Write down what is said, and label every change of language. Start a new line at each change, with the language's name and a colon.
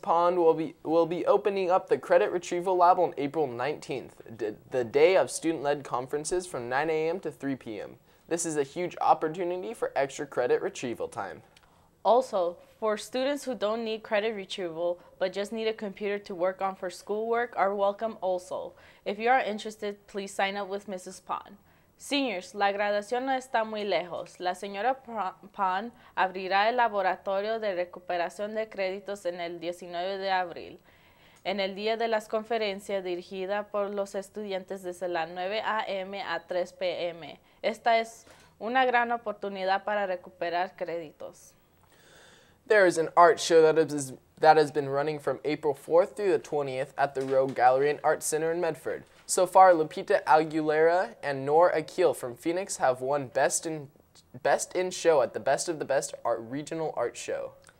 English: Pond will be opening up the Credit Retrieval Lab on April 19th, the day of student-led conferences from 9 a.m. to 3 p.m. This is a huge opportunity for extra credit retrieval time. Also, for students who don't need credit retrieval but just need a computer to work on for schoolwork are welcome also. If you are interested, please sign up with Mrs.
Spanish: Pond. Seniors, la graduación no está muy lejos. La señora Pond abrirá el laboratorio de recuperación de créditos en el 19 de abril, en el día de las conferencias dirigida por los estudiantes desde las 9 a.m. a 3 p.m. Esta es una gran oportunidad para recuperar créditos.
English: There is an art show that has been running from April 4th through the 20th at the Rogue Gallery and Art Center in Medford. So far, Lupita Aguilera and Noor Akil from Phoenix have won Best in Show at the Best of the Best Art Regional Art Show.